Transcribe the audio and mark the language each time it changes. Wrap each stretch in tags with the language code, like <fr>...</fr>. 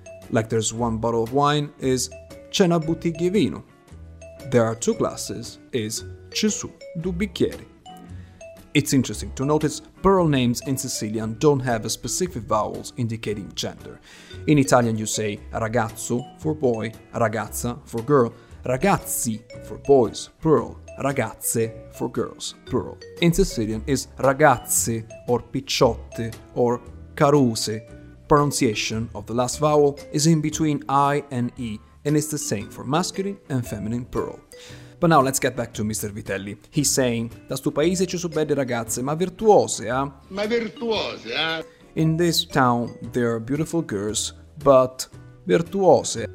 <en>Like there's one bottle of wine, is</en> <it>c'è una bottiglia di vino.</it> <en>There are two glasses, is</en> <scn>ci su due bicchieri.</scn> <en>It's interesting to notice plural names in Sicilian don't have a specific vowels indicating gender. In Italian you say ragazzo for boy, ragazza for girl, ragazzi for boys, plural, ragazze for girls, plural. In Sicilian is ragazze or picciotte or caruse. Pronunciation of the last vowel is in between I and E and is the same for masculine and feminine plural. But now let's get back to Mr. Vitelli. He's saying,</en> <scn>da sto paese ci sono belle ragazze, ma virtuose, eh?</scn> <it>Ma virtuose, eh?</it> <en>In this town, there are beautiful girls, but virtuose.</en>